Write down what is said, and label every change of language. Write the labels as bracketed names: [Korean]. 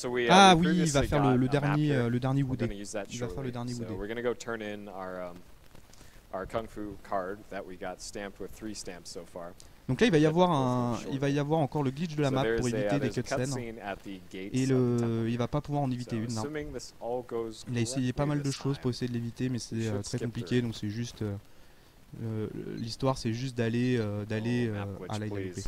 [French] Ah oui, il va faire le dernier Wooded. Il va faire le dernier Wooded. [English] We're gonna go turn in our kung fu card that we got stamped with 3 stamps so far. [French] Donc là, il va y avoir encore le glitch de la map pour éviter des cutscenes. Et il va pas pouvoir en éviter une. Non. Il a essayé pas mal de choses pour essayer de l'éviter, mais c'est très compliqué. Donc c'est juste l'histoire, c'est juste d'aller à l'IWP.